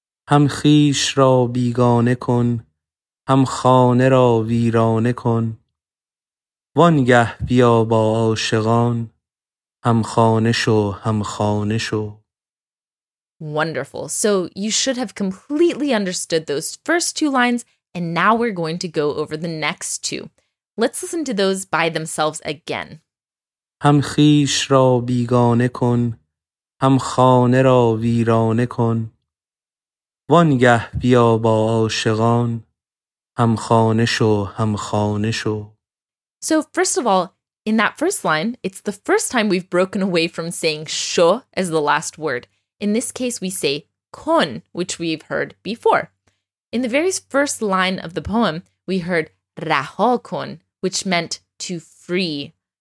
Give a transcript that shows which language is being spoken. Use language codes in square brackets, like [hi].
[fa] هم خیش را بیگانه کن، هم خانه را ویرانه کن. وانگه بیا با عاشقان، هم خانه شو، هم خانه شو. [en] Wonderful. So you should have completely understood those first two lines, and now we're going to go over the next two. Let's listen to those by themselves again. [fa] هم خیش را بیگانه کن، هم خانه را ویرانه کن. وانگه بیا با عاشقان هم خانه شو هم خانه شو. [en] So first of all, in that first line, it's the first time we've broken away from saying شو as the last word. In this case, we say کن, which we've heard before. In the very first line of the poem, we heard رها کن, which meant to free.